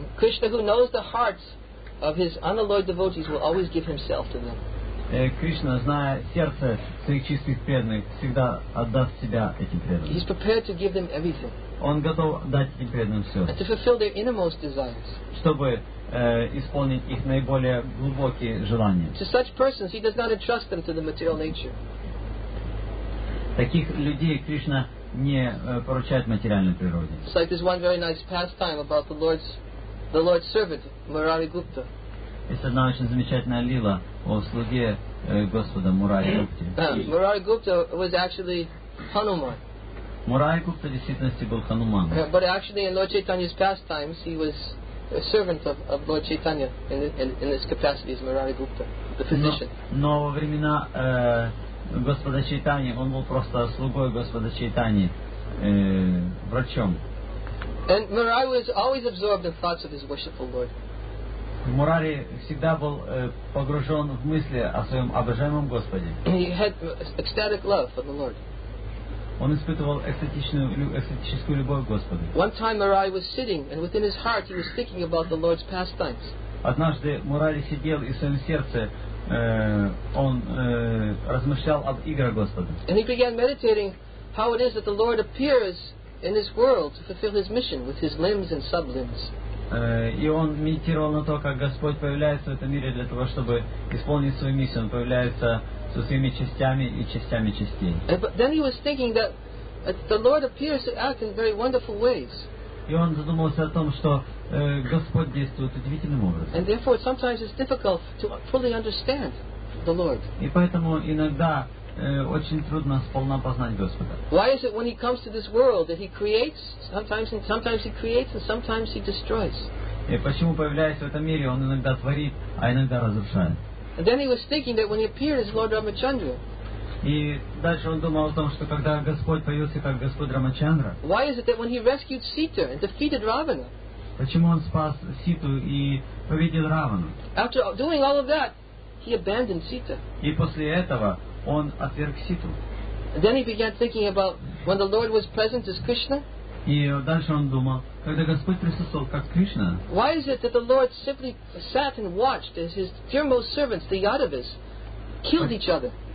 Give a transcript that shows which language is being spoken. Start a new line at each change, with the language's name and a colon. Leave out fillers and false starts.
English: Krishna, who knows the hearts of his unalloyed devotees, will always give himself to them.
Russian: Кришна, зная сердце своих чистых преданных, всегда отдаст себя этим преданным.
English: He's prepared to give them everything.
Russian: Он готов дать этим преданным все.
English: And to fulfill their innermost desires.
Russian: Чтобы исполнить их наиболее глубокие желания.
English: To such persons, he does not entrust them to the material nature.
Russian: Таких людей Кришна не поручает материальной природе.
English: It's like this one very nice pastime about the Lord's servant, Murari Gupta.
Russian: Есть одна очень замечательная лила о слуге Господа Мурари Гупте.
English: Мурари Гупта was actually Hanuman.
Russian: Мурари Гупта в действительности был Хануман.
English: But actually, in Lord Chaitanya's pastimes, he was a servant of Lord Chaitanya in his capacity as Murari Gupta, the physician.
Russian: Но во времена Господа Чайтани, он был просто слугой Господа Чайтани, врачом.
English: And Murari was always absorbed in thoughts of his worshipful Lord.
Russian: Мурари всегда был погружен в мысли о своем обожаемом Господе.
English: He had ecstatic love for the Lord.
Russian: Он испытывал экстатическую любовь к Господу.
English: One time Murari was sitting, and within his heart he was thinking about the Lord's pastimes.
Russian: Однажды Мурари сидел, и в своем сердце он размышлял об играх Господа.
English: And he began meditating how it is that the Lord appears in this world to fulfill his mission with his limbs and sublimbs.
Russian: И он медитировал на то, как Господь появляется в этом мире для того, чтобы исполнить свою миссию. Он появляется со своими частями и частями частей.
English: And, but then he was thinking that the Lord appears to act in very wonderful ways.
Russian: И он задумался о том, что Господь действует удивительным образом.
English: And therefore, sometimes it's difficult to fully understand the Lord.
Russian: И поэтому иногда очень трудно сполна познать Господа.
English: Why is it when he comes to this world that he creates, sometimes he creates and sometimes he destroys?
Russian: И почему, появляясь в этом мире, он иногда творит, а иногда разрушает?
English: And then he was thinking that when he appeared as Lord Ramachandra.
Russian: И дальше он думал о том, что когда Господь появился как Господь Рамачандра.
English: Why is it that when he rescued Sita and defeated Ravana?
Russian: Почему он спас Ситу и победил Равану?
English: After doing all of that, he abandoned Sita.
Russian: И после этого он отверг Ситу.
English: And then he began thinking about when the Lord was present as Krishna.
Russian: И дальше он думал, когда Господь присутствовал как Кришна.
English: Why is it that the Lord simply sat and watched as his dearmost servants, the Yadavas, killed each other?